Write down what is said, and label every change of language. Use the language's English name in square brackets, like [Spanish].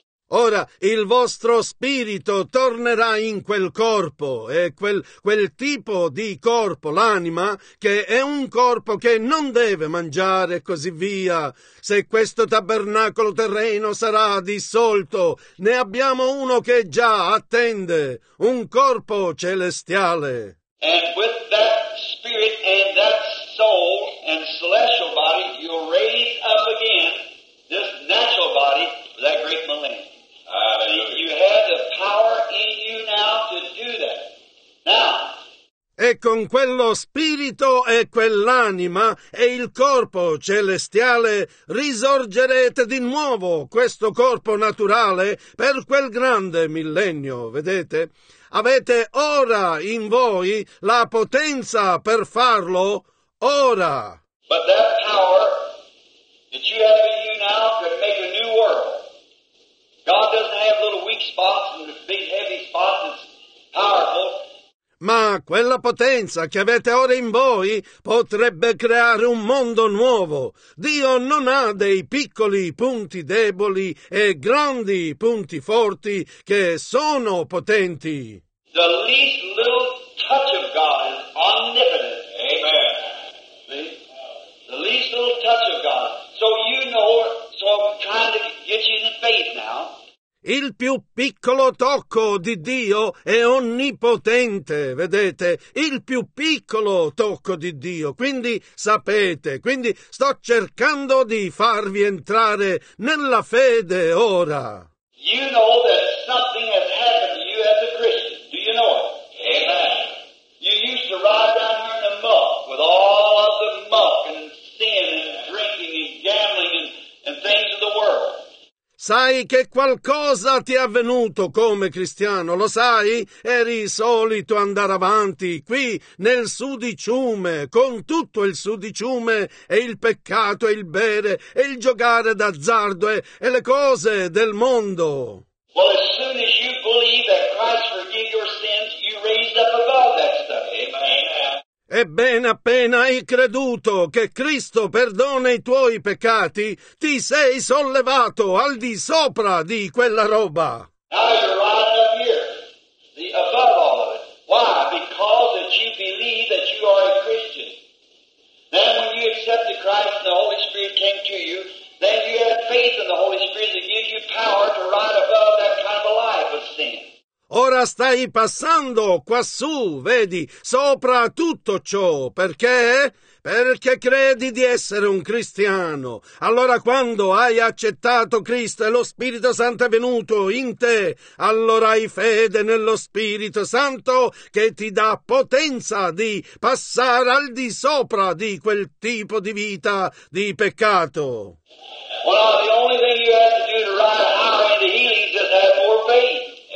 [Italian] Ora il vostro spirito tornerà in quel corpo, e quel tipo di corpo, l'anima, che è un corpo che non deve mangiare, e così via. Se questo tabernacolo terreno sarà dissolto, ne abbiamo uno che già attende, un corpo celestiale. [English] And with that spirit and that soul and celestial body, you'll raise up again this natural body for that great millennium. See, you have the power in you now to do that. Now, [Italian] e con quello spirito e quell'anima e il corpo celestiale risorgerete di nuovo questo corpo naturale per quel grande millennio, vedete? Avete ora in voi la potenza per farlo, ora! [English] But that power that you have in you now could make a new world. God doesn't have little weak spots and big heavy spots, it's powerful. [Italian] Ma quella potenza che avete ora in voi potrebbe creare un mondo nuovo. Dio non ha dei piccoli punti deboli e grandi punti forti che sono potenti. [English] The least little touch of God is omnipotent. Amen. The least little touch of God. So you know, so I'm trying to get you in faith now. [Italian] Il più piccolo tocco di Dio è onnipotente, vedete? Il più piccolo tocco di Dio, quindi sapete, quindi sto cercando di farvi entrare nella fede ora. [English] You know that something has happened to you as a Christian, do you know it? Amen. You used to ride down here in the muck with all of the muck and sin and drinking and gambling and things of the world. [Italian] Sai che qualcosa ti è avvenuto come cristiano, lo sai? Eri solito andare avanti qui nel sudiciume, con tutto il sudiciume e il peccato e il bere e il giocare d'azzardo e le cose del mondo. [English] Well, as soon as you believe that Christ forgave your sins, you raised up above that stuff. Amen. [Italian] Ebbene, appena hai creduto che Cristo perdona i tuoi peccati, ti sei sollevato al di sopra di quella roba. [English] Now you're right up here, the above all of it. Why? Because that you believe that you are a Christian. Then when you accepted Christ and the Holy Spirit came to you, then you had faith in the Holy Spirit that gives you power to ride above that kind of a life of sin. [Italian] Ora stai passando quassù, vedi, sopra tutto ciò. Perché? Perché credi di essere un cristiano. Allora quando hai accettato Cristo e lo Spirito Santo è venuto in te, allora hai fede nello Spirito Santo che ti dà potenza di passare al di sopra di quel tipo di vita di peccato. [English] Well, the only thing you have to do to ride higher into healing is just have more faith.